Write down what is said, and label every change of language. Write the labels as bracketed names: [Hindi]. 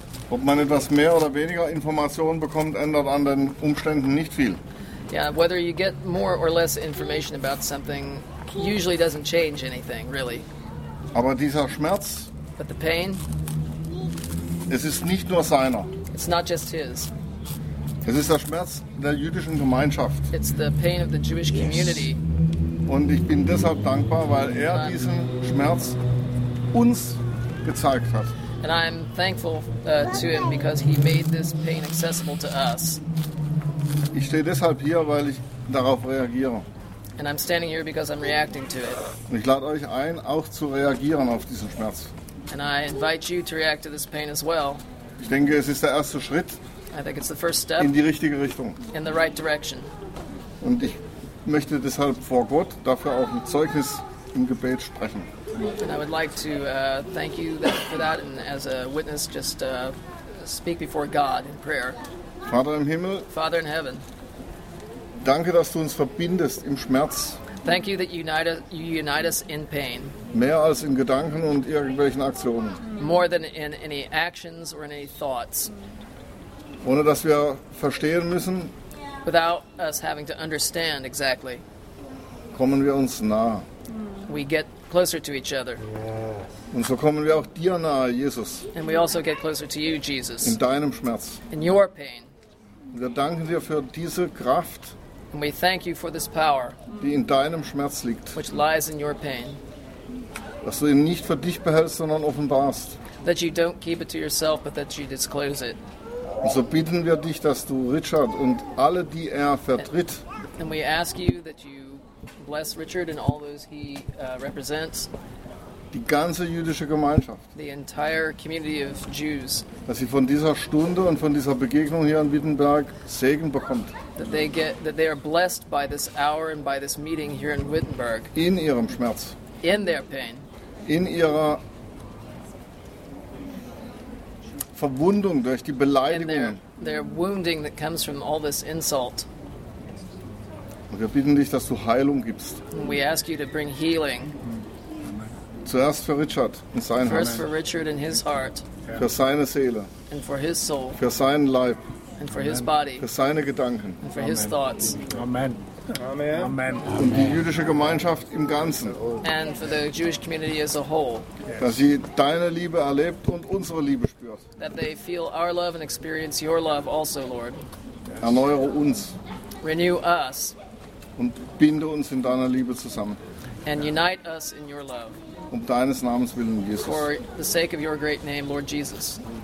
[German] Ob man etwas mehr oder weniger Informationen bekommt, ändert an den Umständen nicht viel. [English] Yeah, whether you get more or less information about something usually doesn't change anything, really. [German] Aber dieser Schmerz, [English] but the pain, [German] es ist nicht nur seiner. [English] It's not just his. [German] Es ist der Schmerz der jüdischen Gemeinschaft. [English] It's the pain of the Jewish community. Yes. [German] Und ich bin deshalb dankbar, weil er diesen Schmerz uns gezeigt hat. [English] And I'm thankful to him because he made this pain accessible to us. [German] Ich stehe deshalb hier, weil ich darauf reagiere. [English] And I'm standing here because I'm reacting to it. [German] Und ich lade euch ein, auch zu reagieren auf diesen Schmerz. [English] And I invite you to react to this pain as well. [German] Ich denke, es ist der erste Schritt. [English] I think it's the first step. [German] In die richtige Richtung. [English] In the right direction. [German] Und ich möchte deshalb vor Gott dafür auch ein Zeugnis im Gebet sprechen. [English] And I would like to thank you for that and as a witness just speak before God in prayer. [German] Vater im Himmel, [English] Father in heaven, [German] danke, dass du uns verbindest im Schmerz. [English] Thank you that you unite us in pain. [German] Mehr als in Gedanken und irgendwelchen Aktionen. [English] More than in any actions or in any thoughts. [German] Ohne dass wir verstehen müssen, [English] without us having to understand exactly, [German] kommen wir uns nah. [English] We get closer to each other. Yes. [German] Und so kommen wir auch dir nahe, Jesus. [English] And we also get closer to you, Jesus. [German] In deinem Schmerz. [English] In your pain. [German] Und wir danken dir für diese Kraft, [English] and we thank you for this power, [German] die in deinem Schmerz liegt. [English] Which lies in your pain. [German] Dass du ihn nicht für dich behältst, sondern offenbarst. [English] That you don't keep it to yourself, but that you disclose it. [German] Und so bitten wir dich, dass du Richard und alle, die er vertritt, [English] and we ask you that you bless Richard and all those he represents, [German] die ganze jüdische Gemeinschaft, [English] the entire community of Jews, [German] dass sie von dieser Stunde und von dieser Begegnung hier in Wittenberg Segen bekommt, [English] that they are blessed by this hour and by this meeting here in Wittenberg, [German] in ihrem Schmerz, [English] in their pain, [German] in ihrer Verwundung durch die Beleidigungen, [English] their wounding that comes from all this insult. [German] Und wir bitten dich, dass du Heilung gibst. [English] And we ask you to bring healing. [German] Zuerst für Richard und sein Herz. [English] First for Richard and his heart. [German] Für seine Seele. [English] And for his soul. [German] Für seinen Leib. [English] And for his body. [German] Für seine Gedanken. [English] And for his thoughts. Amen. Amen. Amen. [German] Und die jüdische Gemeinschaft im Ganzen. [English] And for the Jewish community as a whole. [German] Dass sie deine Liebe erlebt und unsere Liebe spürt. [English] That they feel our love and experience your love also, Lord. [German] Erneuere uns. [English] Renew us. [German] Und binde uns in deiner Liebe zusammen. [English] And unite us in your love. [German] Um deines Namens willen, Jesus. [English] For the sake of your great name, Lord Jesus.